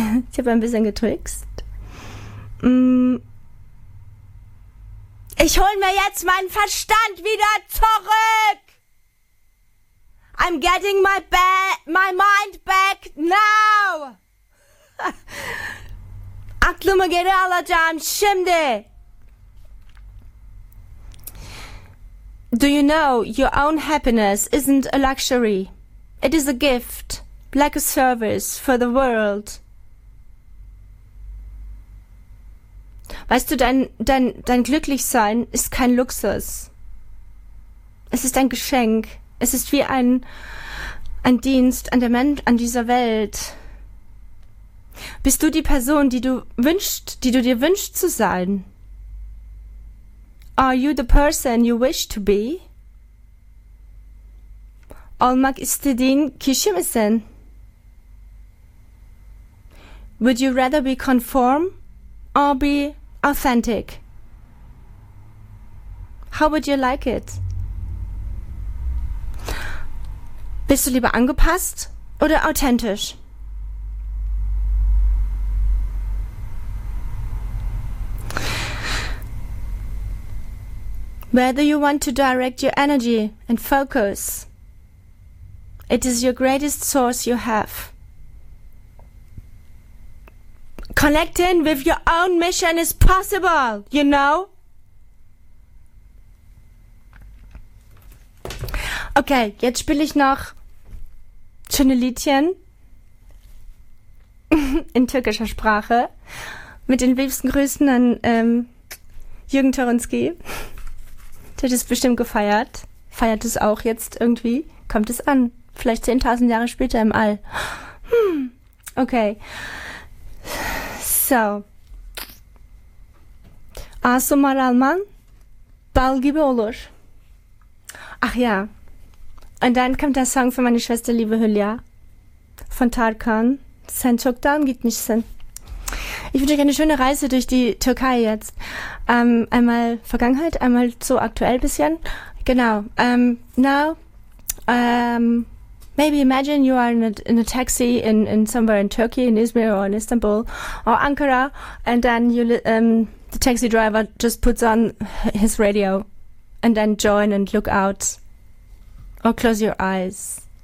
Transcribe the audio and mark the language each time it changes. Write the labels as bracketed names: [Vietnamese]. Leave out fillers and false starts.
[German] Ich habe ein bisschen getrickst. Ich hol mir jetzt meinen Verstand wieder zurück. [English] I'm getting my mind back now. [Turkish] Aklımı geri alacağım şimdi. [English] Do you know your own happiness isn't a luxury? It is a gift, like a service for the world. [German] Weißt du, dein Glücklichsein ist kein Luxus. Es ist ein Geschenk. Es ist wie ein Dienst an der Mensch, an dieser Welt. Bist du die Person, die du dir wünschst zu sein? [English] Are you the person you wish to be? [Turkish] Olmak istediğin kişi misin? [English] Would you rather be conform or be authentic? How would you like it? [German] Bist du lieber angepasst oder authentisch? [English] Whether you want to direct your energy and focus, it is your greatest source you have. Connecting with your own mission is possible, you know? [German] Okay, jetzt spiele ich noch schöne Liedchen in türkischer Sprache mit den liebsten Grüßen an Jürgen Toronski. Der hat es bestimmt gefeiert. Feiert es auch jetzt irgendwie? Kommt es an? Vielleicht 10.000 Jahre später im All. Okay. So. [Turkish] Asumar Alman, Bal gibi olur. [German] Ach ja. Und dann kommt der Song für meine Schwester, liebe Hülya. Von Tarkan. [Turkish] Sen çoktan gitmişsin. [German] Ich wünsche euch eine schöne Reise durch die Türkei jetzt. Einmal Vergangenheit, einmal so aktuell bisschen. Genau. Now, [English] Maybe imagine you are in a taxi in somewhere in Turkey, in Izmir or in Istanbul or Ankara, and then you the taxi driver just puts on his radio and then join and look out or close your eyes.